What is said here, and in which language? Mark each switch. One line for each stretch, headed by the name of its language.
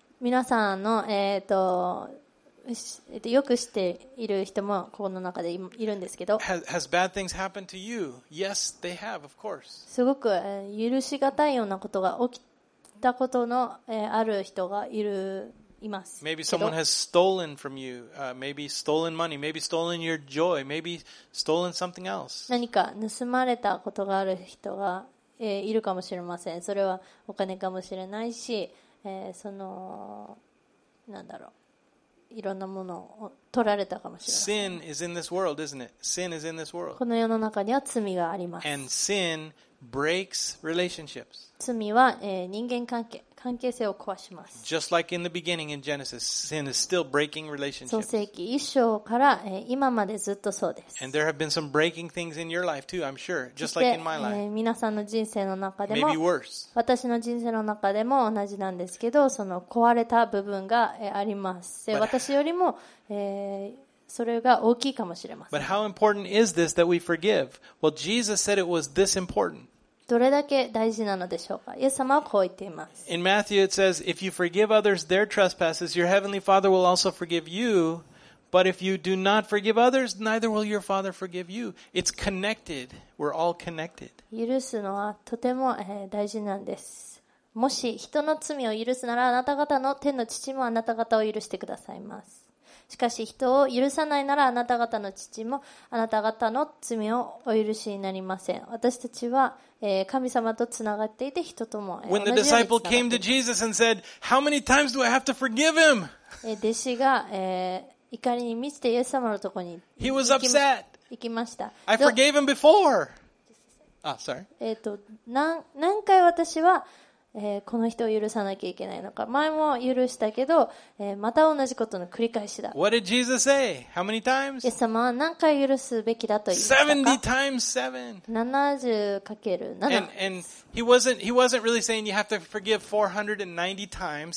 Japanese: 皆さんのよく知っている人もこの中でいるんですけど、
English: Has bad things happened to you? Yes, they have, of course.
Japanese: すごく許しがたいようなことが起きたことの、ある人がいる、います。
English: Maybe someone has stolen from you, maybe stolen money, maybe stolen your joy, maybe stolen something else.
Japanese: 何か盗まれたことがある人が、いるかもしれません。それはお金かもしれないし、その、なんだろう、いろんなものを取られたかもしれません。
English: Sin is in this world, isn't it? Sin is in this world.
Japanese: この世の中には罪があります。
English: And sin breaks relationships.
Japanese: 罪は、人間関係性を壊します。
English: Just like in the beginning in Genesis, sin is still breaking relationships.
Japanese: 創世記1章から、今までずっとそうです。
English: And there have been some breaking things in your life too, I'm sure, just like in my life.
Japanese: 皆さんの人生の中でも、
English: Maybe worse.
Japanese: 私の人生の中でも同じなんですけど、その壊れた部分が、あります。私よりも、それが大きいかもしれません。
English: But how important is this that we forgive? Well, Jesus said it was this important.
Japanese: どれだけ大事なのでしょうか。イエス様はこう言っています。
English: In Matthew it says, "If you forgive others their trespasses, your heavenly Father will also forgive you. But if you do not forgive others, neither will your Father forgive you." It's connected. We're all connected.
Japanese: 許すのはとても大事なんです。もし人の罪を許すなら、あなた方の天の父もあなた方を許してくださいます。しかし人を許さないならあなた方の父もあなた方の罪をお許しになりません。私たちは神様とつながっていて人とも同じようにつながっています。弟子が怒りに満ちてイエス様のところに行きました。
English: I forgave him before. Ah, sorry.
Japanese: 何回私はこの人を許さなきゃいけないのか。前も許したけど、また同じことの繰り返しだ。
English: What did Jesus say? How many times?
Japanese: イエス様は何回許すべきだと言いましたか。
English: 70 times 7.
Japanese: 70×7.
English: And he wasn't really saying you have to forgive 490 times.